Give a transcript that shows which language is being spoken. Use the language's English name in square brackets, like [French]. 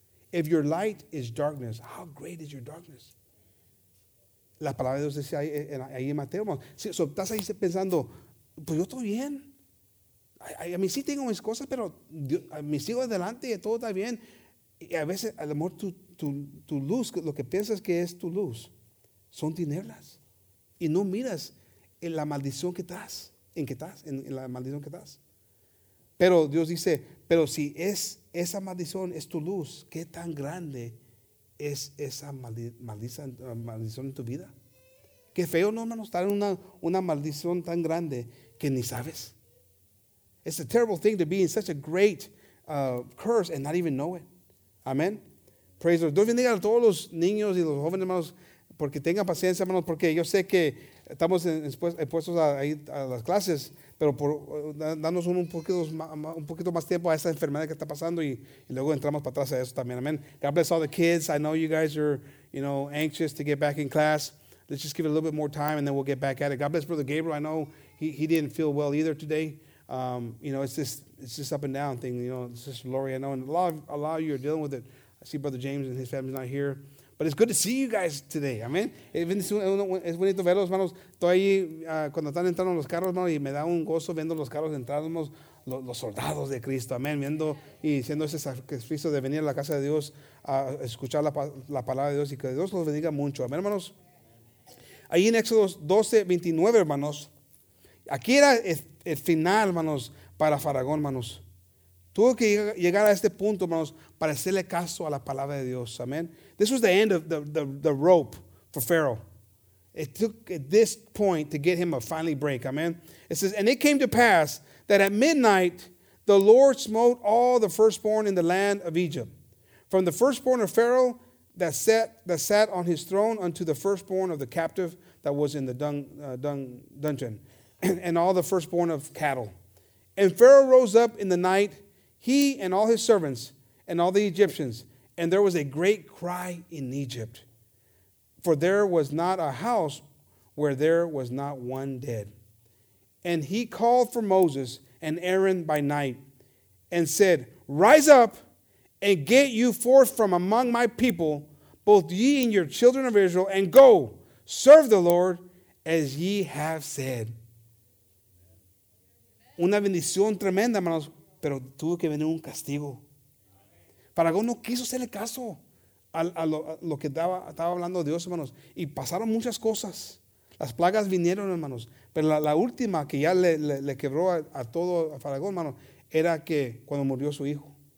[English] If your light is darkness, how great is your darkness? [Spanish] La palabra de Dios decía ahí en Mateo, hermano. Si, so, estás ahí pensando, pues yo estoy bien. A mí sí tengo mis cosas, pero Dios, a mí sigo adelante y todo está bien. Y a veces, a lo mejor, tu luz, lo que piensas que es tu luz, son tinieblas. Y no miras en la maldición que estás, en la maldición que estás. Pero Dios dice, pero si es esa maldición es tu luz, ¿qué tan grande es esa maldición en tu vida? Qué feo, ¿no, hermano? Estar en una maldición tan grande que ni sabes. [English] It's a terrible thing to be in such a great curse and not even know it. Amén. Praise the Lord. [Spanish] Dios bendiga a todos los niños y los jóvenes, hermanos, porque tengan paciencia, hermanos, porque yo sé que estamos expuestos a las clases, pero por darnos un poquito más tiempo a esa enfermedad que está pasando y luego entramos para atrás a eso también. [English] Amen. God bless all the kids. I know you guys are, you know, anxious to get back in class. Let's just give it a little bit more time and then we'll get back at it. God bless Brother Gabriel. I know he didn't feel well either today. You know, it's just up and down thing. You know, it's just Lori, I know. And a lot of you are dealing with it. I see Brother James and his family's not here. But it's good to see you guys today. [Spanish] Amen. Es bonito verlos, hermanos. Estoy ahí cuando están entrando los carros, hermanos, y me da un gozo viendo los carros entrando, los soldados de Cristo. Amén. Viendo y siendo ese sacrificio de venir a la casa de Dios a escuchar la palabra de Dios y que Dios los bendiga mucho. Amén, hermanos. Ahí en Éxodo 12, 29, hermanos. Aquí era el final, hermanos, para Faraón, hermanos. Tuvo que llegar a este punto, hermanos, para hacerle caso a la palabra de Dios. Amén. [English] This was the end of the rope for Pharaoh. It took this point to get him a finally break. Amen. It says, and it came to pass that at midnight the Lord smote all the firstborn in the land of Egypt, from the firstborn of Pharaoh that sat on his throne unto the firstborn of the captive that was in the dungeon, and all the firstborn of cattle. And Pharaoh rose up in the night, he and all his servants and all the Egyptians, and there was a great cry in Egypt, for there was not a house where there was not one dead. And he called for Moses and Aaron by night and said, rise up and get you forth from among my people, both ye and your children of Israel, and go serve the Lord as ye have said. [Spanish] Una bendición tremenda, hermanos, pero tuvo que venir un castigo. Faraón no quiso hacerle caso a lo que estaba hablando Dios, hermanos. Y pasaron muchas cosas. Las plagas vinieron, hermanos. Pero la última que ya le quebró a todo a Faraón, hermanos, era que cuando murió su hijo.